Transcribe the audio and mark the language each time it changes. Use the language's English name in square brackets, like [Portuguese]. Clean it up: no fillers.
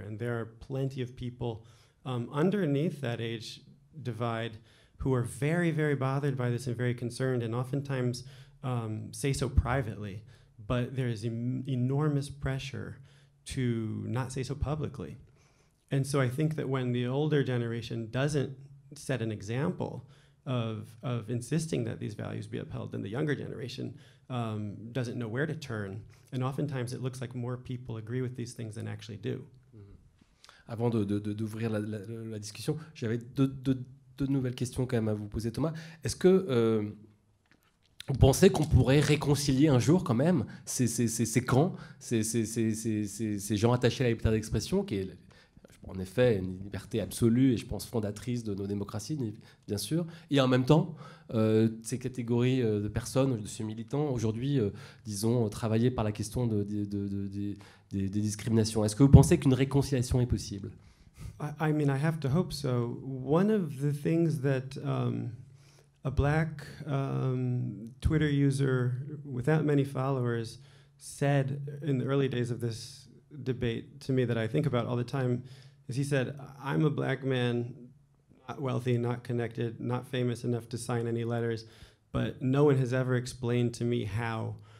[English] And there are plenty of people underneath that age divide who are very, very bothered by this and very concerned, and oftentimes say so privately, but there is enormous pressure to not say so publicly. And so I think that when the older generation doesn't set an example of insisting that these values be upheld, then the younger generation doesn't know where to turn. And oftentimes it looks like more people agree with these things than actually do. Mm-hmm. [French] Avant d'ouvrir la discussion, j'avais deux nouvelles questions quand même à vous poser, Thomas. Est-ce que vous pensez qu'on pourrait réconcilier un jour quand même ces camps, ces gens attachés à la liberté d'expression, qui est en effet une liberté absolue et je pense fondatrice de nos démocraties, bien sûr, et en même temps, ces catégories de personnes, de ces militants, aujourd'hui, travaillés par la question des discriminations. Est-ce que vous pensez qu'une réconciliation est possible? [English] I mean, I have to hope so. One of the things that a black Twitter user without many followers said in the early days of this debate to me that I think about all the time is he said, I'm a black man, not wealthy, not connected, not famous enough to sign any letters, but no one has ever explained to me how